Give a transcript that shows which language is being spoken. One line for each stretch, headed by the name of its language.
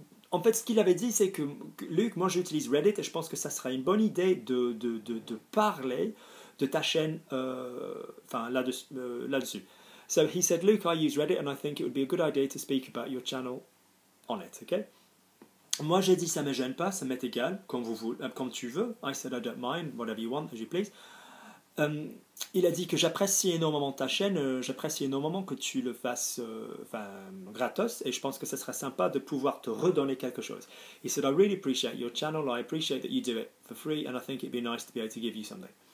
French: En fait, ce qu'il avait dit, c'est que, Luc, moi j'utilise Reddit et je pense que ça serait une bonne idée de parler de ta chaîne là-dessus.
English: So he said, Luc, I use Reddit and I think it would be a good idea to speak about your channel on it, ok?
French: Moi j'ai dit, ça ne me gêne pas, ça m'est égal, comme tu veux.
English: I said, I don't mind, whatever you want, as you please.
French: Il a dit que j'apprécie énormément ta chaîne, j'apprécie énormément que tu le fasses gratos, et je pense que ce serait sympa de pouvoir te redonner quelque chose.
English: He said, I really appreciate your channel, I appreciate that you do it for free, and I think it'd be nice to be able to give you something.